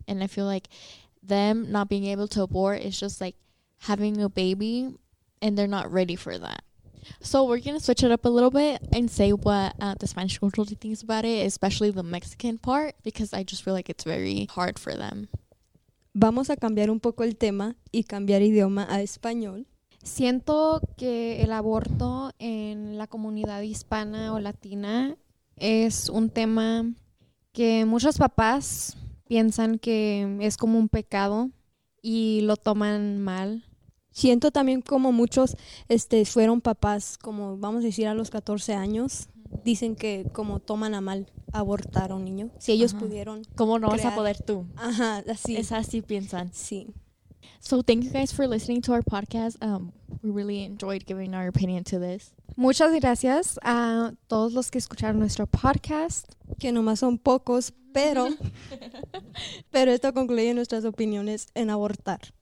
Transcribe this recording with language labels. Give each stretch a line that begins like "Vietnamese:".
English: And I feel like them not being able to abort is just like having a baby, and they're not ready for that. So we're going to switch it up a little bit and say what the Spanish culture thinks about it, especially the Mexican part, because I just feel like it's very hard for them.
Spanish: Vamos a cambiar un poco el tema y cambiar idioma a español. Siento que el aborto en la comunidad hispana o latina es un tema que muchos papás piensan que es como un pecado y lo toman mal. Siento también como muchos fueron papás, como vamos a decir, a los 14 años, dicen que como toman a mal abortar a un niño, si ellos pudieron. ¿Cómo no vas a poder tú? Ajá, así. Es así piensan. Sí.
English: So thank you guys for listening to our podcast. We really enjoyed giving our opinion to this.
Spanish: Muchas gracias a todos los que escucharon nuestro podcast, que nomás son pocos, pero, pero esto concluye nuestras opiniones en abortar.